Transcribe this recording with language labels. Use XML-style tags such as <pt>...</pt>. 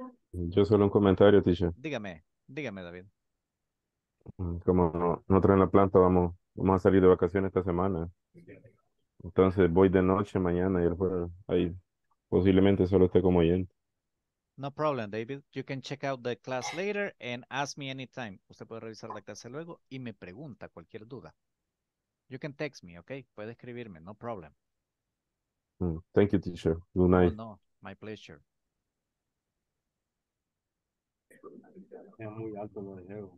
<es>Yo solo un comentario, teacher. Dígame, dígame, David. Como nosotros en la planta vamos a salir de vacaciones esta semana. Entonces voy de noche mañana y el jueves. Ahí posiblemente solo esté como oyente.</es> <en>No problem, David. You can check out the class later and ask me anytime.</en> <es>Usted puede revisar la clase luego y me pregunta cualquier duda.</es> <en>You can text me, okay?</en> <es>Puede escribirme,</es> <en>no problem. Thank you, teacher. Good night. Oh, no, my pleasure.</en> <es>Es muy alto lo de</es>